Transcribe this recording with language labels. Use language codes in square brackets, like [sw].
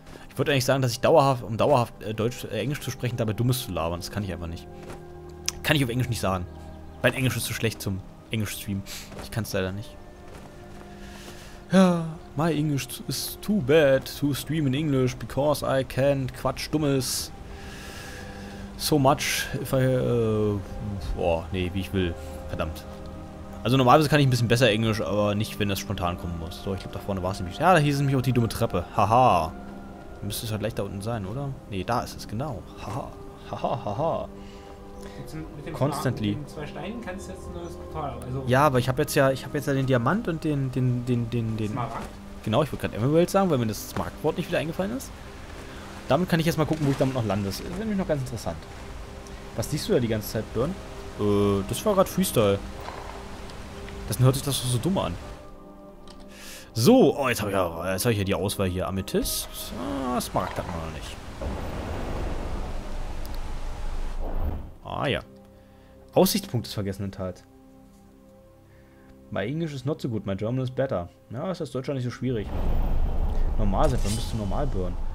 [de] Ich wollte eigentlich sagen, dass ich dauerhaft Englisch zu sprechen, dabei Dummes zu labern. Das kann ich einfach nicht. Kann ich auf Englisch nicht sagen. Mein Englisch ist zu schlecht zum Englisch streamen. Ich kann es leider nicht. [en] Ja, my English is too bad to stream in English because I can't [de] Quatsch Dummes. [en] So much, if I, [de] boah, nee, wie ich will. Verdammt. Also normalerweise kann ich ein bisschen besser Englisch, aber nicht, wenn das spontan kommen muss. So, ich glaube, da vorne war es nämlich. Ja, da hieß es nämlich auch die dumme Treppe. Haha. Müsste es halt leicht da unten sein, oder? Nee, da ist es, genau. Haha. Haha, haha. Constantly. Mit den zwei Steinen kannst du jetzt ein neues Portal. Also ja, aber ich habe jetzt ja den Diamant und den Smaragd. Genau, ich wollte gerade Emerald sagen, weil mir das Smaragdwort nicht wieder eingefallen ist. Damit kann ich jetzt mal gucken, wo ich damit noch lande. Das ist nämlich noch ganz interessant. Was siehst du da die ganze Zeit, Burn? Das war gerade Freestyle. Das hört sich das so dumm an. So, oh, jetzt hab ich ja die Auswahl hier. Amethyst. Ah, Smaragd hat man noch nicht. Ah ja. Aussichtspunkt des vergessenen Tals. [en] My English is not so good, my German is better. [de] Ja, ist das Deutschland nicht so schwierig. Normal sein, dann bist du normal, Burn.